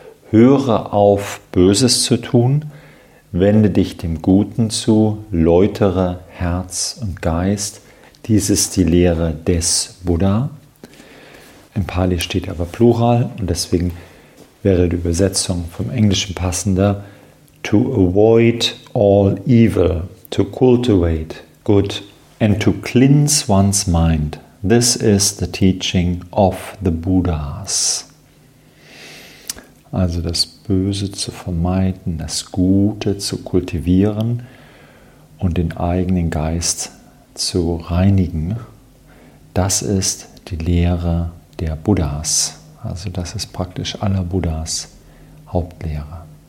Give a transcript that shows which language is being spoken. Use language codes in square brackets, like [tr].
[de] Höre auf, Böses zu tun, wende dich dem Guten zu, läutere Herz und Geist. Dies ist die Lehre des Buddha. Im Pali steht aber Plural und deswegen wäre die Übersetzung vom Englischen passender. [en] To avoid all evil, to cultivate good and to cleanse one's mind. This is the teaching of the Buddhas. [de] Also das Böse zu vermeiden, das Gute zu kultivieren und den eigenen Geist zu reinigen. Das ist die Lehre der Buddhas. Also das ist praktisch aller Buddhas Hauptlehre.